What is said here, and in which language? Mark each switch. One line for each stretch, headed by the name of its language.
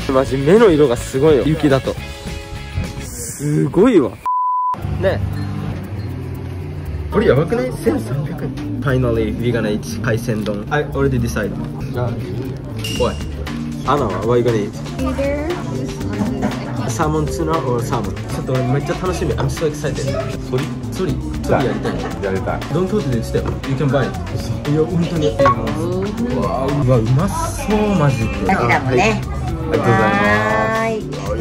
Japanese: マジ、目の色がすごいよ。雪だと。すごいわ。ねえ、これやばくない？1300円。
English: Finally, we're gonna eat 海鮮丼。 I already decided.
Japanese: おい、アナは
English: what are you gonna eat? Either
Japanese: サーモンツナ or サーモン。ちょっとめっちゃ楽しみ。
English: I'm so excited.
Japanese: ソリソリソリやりたい。やりたい。
English: Don't touch this step. You can buy it.
Japanese: いや、本当に。うわ、うまそう、マジで。ありがとうございます。 はい、美